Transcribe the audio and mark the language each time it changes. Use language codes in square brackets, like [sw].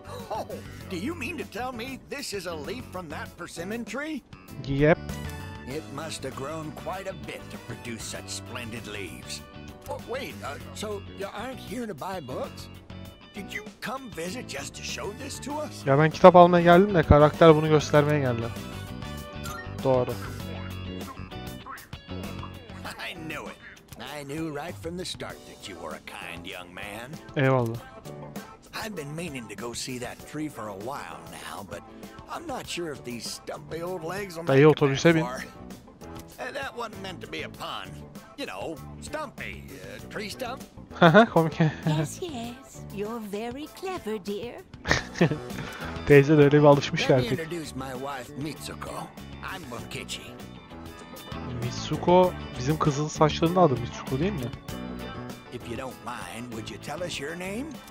[en] Oh, do you mean to tell me this is a leaf from that persimmon tree? Yep. It must have grown quite a bit to produce such splendid leaves. Oh, wait, so you aren't here to buy books? Did you come visit just to show this to us? [tr] Ya ben kitap almaya geldim de karakter bunu göstermeye geldi. Doğru. [en] I knew it. I knew right from the start that you were a kind young man. [tr] Eyvallah. [en] I've been meaning to go see that tree for a while now, but I'm not sure if these stumpy old legs will make it that far. [tr] Dayı, otobüse bin. [en] That wasn't meant to be a pun. You know, stumpy, tree stump. [tr] Komik. [en] Yes, yes. You're very clever, dear. [tr] Teyze de öyle bir alışmış artık. [en] Let me introduce my wife, Mitsuko. I'm Mokichi. [tr] Mitsuko, bizim kızın saçlarının adı Mitsuko değil mi? [en] If you don't mind, would you tell us your name?